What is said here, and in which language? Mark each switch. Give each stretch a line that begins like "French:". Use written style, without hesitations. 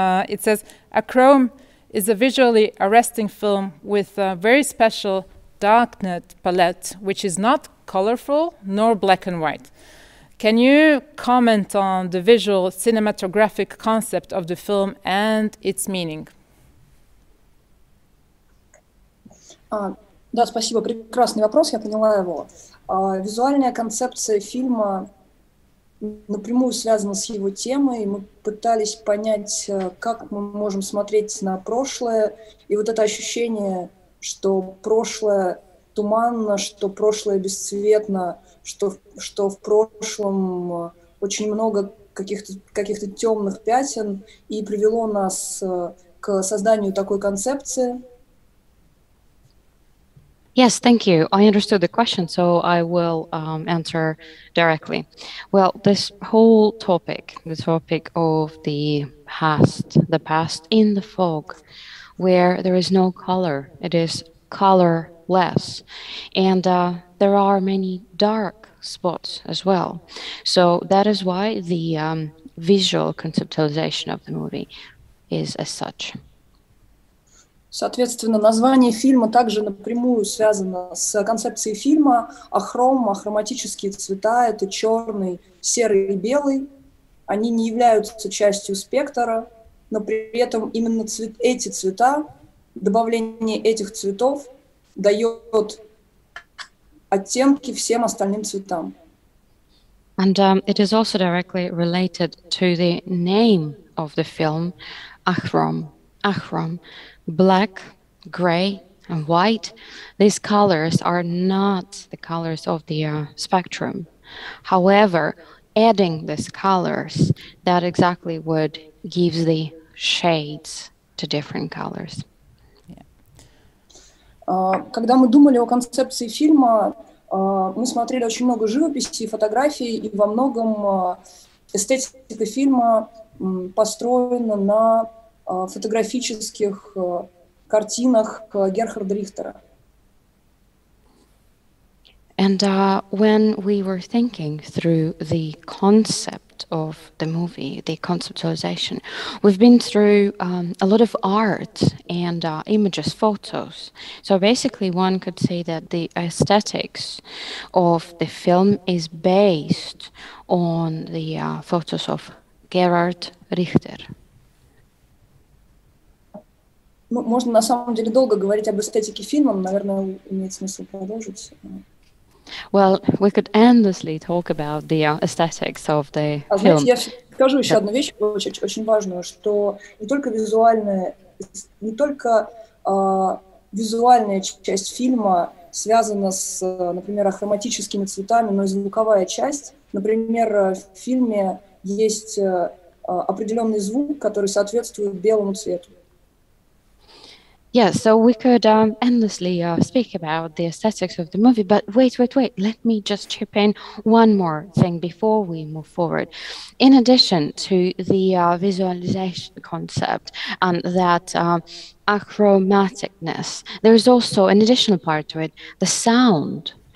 English: It says, Achrome is a visually arresting film with a very special darknet palette, which is not colorful nor black and white. Can you comment on the visual cinematographic concept of the film and its meaning?
Russian: Да, спасибо. Прекрасный вопрос, я поняла его. Визуальная концепция фильма напрямую связана с его темой. Мы пытались понять, как мы можем смотреть на прошлое. И вот это ощущение, что прошлое туманно, что прошлое бесцветно, что в прошлом очень много каких-то темных пятен, и привело нас к созданию такой концепции.
English: Yes, thank you. I understood the question, so I will answer directly. Well, this whole topic, the topic of the past in the fog, where there is no color, it is colorless, and there are many dark spots as well. So that is why the visual conceptualization of the movie is as such.
Russian: Соответственно, название фильма также напрямую связано с концепцией фильма. Ахром, ахроматические цвета — это черный, серый и белый. Они не являются частью спектра, но при этом именно эти цвета, добавление этих цветов дает оттенки всем остальным цветам.
English: And it is also directly related to the name of the film, Achrome. Achrome, black, gray, and white. These colors are not the colors of the spectrum. However, adding these colors, that exactly would give the shades to different colors.
Russian: Когда мы думали о концепции фильма, мы смотрели очень много живописи и фотографий, и во многом эстетика фильма построена на фотографических картинах Герхарда Рихтера.
English: And when we were thinking through the concept of the movie, the conceptualization, we've been through a lot of art and images, photos. So basically one could say that the aesthetics of the film is based on the photos of Gerhard Richter.
Russian: Можно на самом деле долго говорить об эстетике фильма, наверное, имеет смысл продолжить.
English: Well, we could endlessly talk about the aesthetics of the film.
Russian: Я скажу еще одну вещь, очень, очень важную, что не только визуальная, не только визуальная часть фильма связана с, например, ахроматическими цветами, но и звуковая часть. Например, в фильме есть определенный звук, который соответствует белому цвету.
English: Yeah, so we could endlessly speak about the aesthetics of the movie, but wait, let me just chip in one more thing before we move forward. In addition to the visualization concept and that achromaticness, there is also an additional part to it, the sound.